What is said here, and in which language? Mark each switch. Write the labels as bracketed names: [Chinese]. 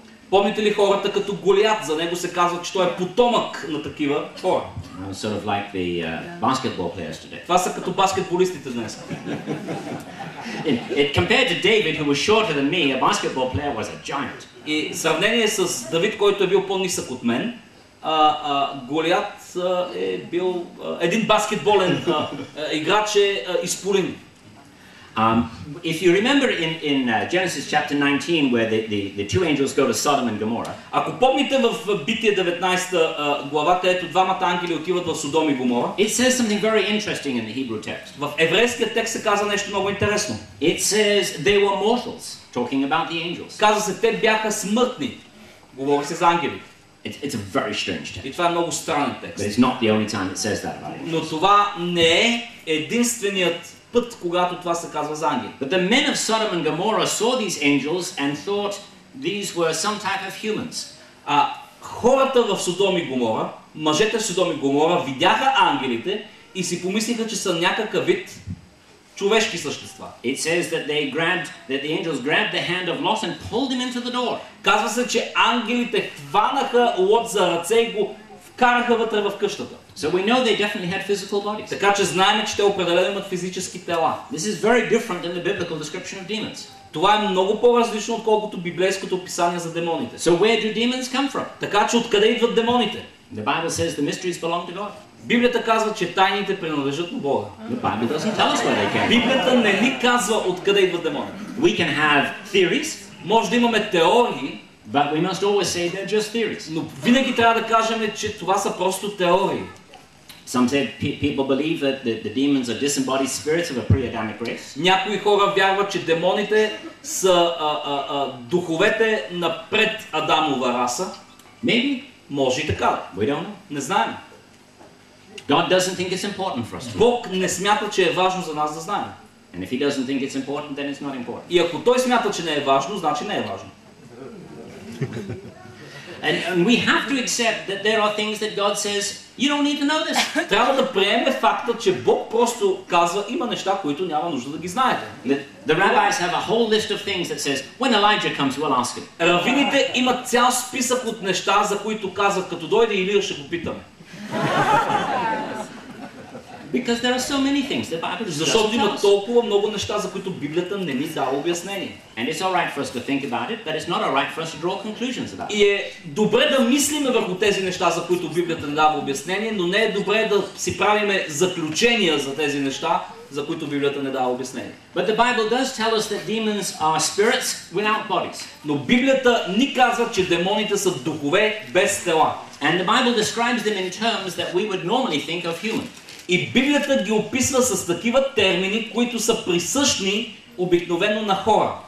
[Bulgarian] Помните ли хората като Голиат? За него се казва, че той е потомък на такива хора. [English] Sort of like the basketball players today. [Bulgarian] Това са като баскетболистите днес. [English] Compared to David, who was shorter than me, a basketball player was a giant. [Bulgarian] И в сравнение с Давид, който е бил по-нисък от мен, Голиат е бил един баскетболен играч, е изполин. [English] If you remember in Genesis chapter 19 where the two angels go to Sodom and Gomorrah. [Bulgarian] Ако помните в Битие 19 глава, където двамата ангели отиват в Содом и Гомора. [English] It says something very interesting in the Hebrew text. [Bulgarian] В еврейския текст се казва нещо много интересно. [English] It says they were mortals, talking about the angels. [Bulgarian] Казва се, те бяха смъртни. Говори се за ангели. [English] It's a very strange text. [Bulgarian] И това е много странен текст. [English] But it's not the only time it says that about angels. [Bulgarian] Но това не е единственият път, когато това се казва за ангели. [English] But the men of Sodom and Gomorrah saw these angels and thought these were some type of humans. [Bulgarian] Хората в Содом и Гомора, мъжете в Содом и Гомора, видяха ангелите и си помислиха, че са някакъв вид човешки същества. [English] It says that they grabbed, that the angels grabbed the hand of Lot and pulled him into the door. [Bulgarian] Казва се, че ангелите хванаха Лот за ръце и го вкараха вътре в къщата. [English] So we know they definitely had physical bodies. [Bulgarian] Така че знаем, че те определено имат физически тела. [English] This is very different than the biblical description of demons. [Bulgarian] Това е много по-различно, отколкото библейското описание за демоните. [English] So where do demons come from? [Bulgarian] Така че откъде идват демоните? [English] The Bible says the mysteries belong to God. [Bulgarian] Библията казва, че тайните принадлежат на Бога. [English] The Bible doesn't tell us where they came. [Bulgarian] Библията не ни казва откъде идват демоните. [English] We can have theories. [Bulgarian] Може да имаме теории. [English] But we must always say they're just theories. [Bulgarian] Но винаги трябва да кажем, че това са просто теории. [English] Some say people believe that the demons are disembodied spirits of a pre-Adamic race. [Bulgarian] Някои хора вярват, че демоните са духовете на пред-Адамова раса. [English] Maybe. [Bulgarian] Може и така. [English] We don't know. [Bulgarian] Не знаем. [English] God doesn't think it's important for us. [Bulgarian] Бог не смята, че е важно за нас да знаем. [English] And if he doesn't think it's important, then it's not important. [Bulgarian] И ако той смята, че не е важно, значи не е важно. [English] And we have to accept that there are things that God says you don't need to know this. [Bulgarian] Трябва да приемем факта, че Бог просто казва има неща, които няма нужда да ги знаете. [English] The rabbis have a whole list of things that says when Elijah comes we'll ask him. [Bulgarian] Равините имат цял списък от неща, за които казват като дойде Илия ще го питаме. [English] Because there are so many things the Bible doesn't tell us. [Bulgarian] Защото има толкова много неща, за които Библията не ни дава обяснение. [English] And it's all right for us to think about it, but it's not all right for us to draw conclusions about it. [Bulgarian] И е добре да мислиме върху тези неща, за които Библията не дава обяснение, но не е добре да си правиме заключения за тези неща, за които Библията не дава обяснение. [English] But the Bible does tell us that demons are spirits without bodies. [Bulgarian] Но Библията ни казва, че демоните са духове без тела. [English] And the Bible describes them in terms that we would normally think of human. [Bulgarian] И Библията ги описва с такива термини, които са присъщни обикновено на хора.